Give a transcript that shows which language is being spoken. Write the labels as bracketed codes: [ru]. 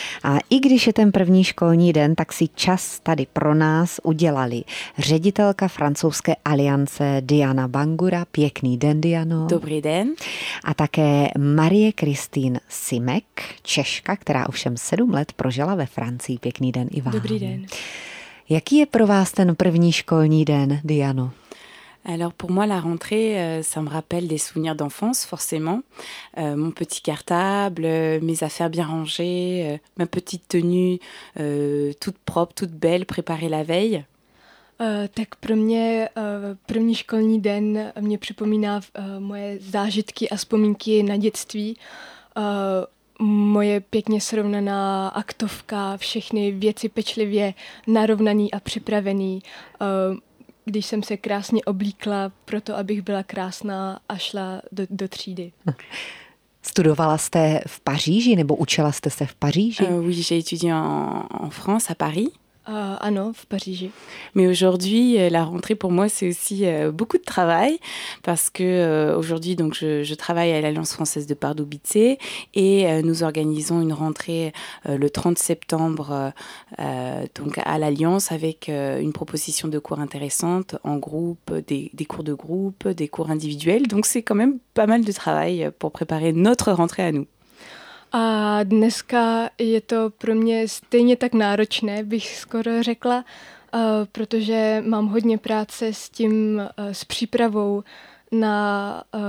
[cs] A i když je ten první školní den, tak si čas tady pro nás udělali ředitelka francouzské aliance Diana Bangura. Pěkný den, Diano. Dobrý den. A také Marie Christine Simek, Češka, která ovšem 7 let prožila ve Francii. Pěkný den i vám. Dobrý den. Jaký je pro vás ten první školní den, Diano? [fr] Alors pour moi la rentrée ça me rappelle des souvenirs d'enfance forcément. Mon petit cartable, mes affaires bien rangées, ma petite tenue toute propre, toute belle préparée la veille. [cs] Tak pro mě první školní den mě připomíná moje zážitky a vzpomínky na dětství. Moje pěkně srovnaná aktovka, všechny věci pečlivě narovnaný a připravený, když jsem se krásně oblíkla proto, abych byla krásná a šla do třídy. Studovala jste v Paříži nebo učila jste se v Paříži? [fr] Oui, j'ai étudié en France, à Paris. [cs] Ano, v Paříži. [fr] Mais aujourd'hui, la rentrée pour moi, c'est aussi beaucoup de travail, parce que aujourd'hui, donc, je travaille à l'Alliance française de Pardubice et nous organisons une rentrée le 30 septembre donc à l'Alliance avec une proposition de cours intéressante en groupe, des cours de groupe, des cours individuels. Donc, c'est quand même pas mal de travail pour préparer notre rentrée à nous. [cs] A dneska je to pro mě stejně tak náročné, bych skoro řekla, protože mám hodně práce s tím, s přípravou na